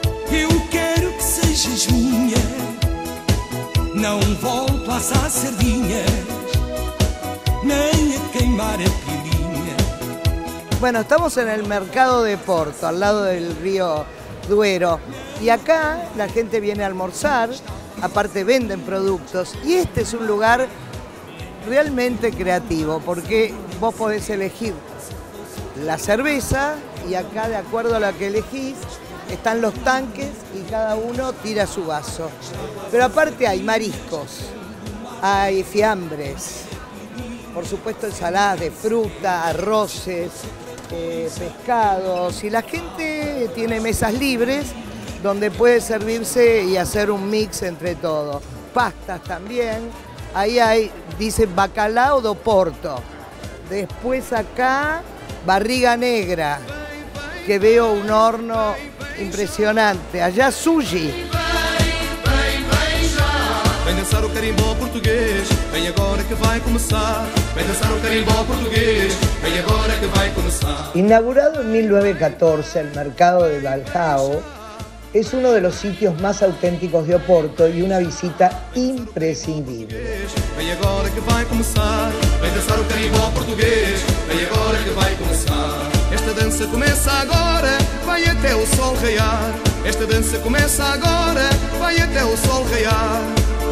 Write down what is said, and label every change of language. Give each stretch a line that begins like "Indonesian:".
Portuguese: Eu quero que sejas minha. Não volto a assar sardinhas, nem a queimar a pilinha.
Spanish: Bueno, estamos en el mercado de Porto, al lado del río Duero. Y acá la gente viene a almorzar, aparte venden productos. Y este es un lugar realmente creativo, porque vos podés elegir la cerveza y acá, de acuerdo a la que elegís, están los tanques y cada uno tira su vaso. Pero aparte hay mariscos, hay fiambres, por supuesto ensaladas de fruta, arroces, pescados. Y la gente tiene mesas libres donde puede servirse y hacer un mix entre todo. Pastas también. Ahí hay, dice, bacalao do Porto. Después acá, barriga negra, que veo un horno impresionante. Allá sushi.
Portuguese: Vem dançar o carimbó português, vem agora que vai começar. Vem dançar o carimbó português, vem agora que vai começar.
Spanish: Inaugurado en 1914, el mercado de Baljao es uno de los sitios más auténticos de Oporto y una visita imprescindible.
Portuguese: Vem agora que vai começar, vem dançar o carimbó português, vem agora que vai começar. Esta dança começa agora, vai até o sol raiar. Esta dança começa agora, vai até o sol raiar.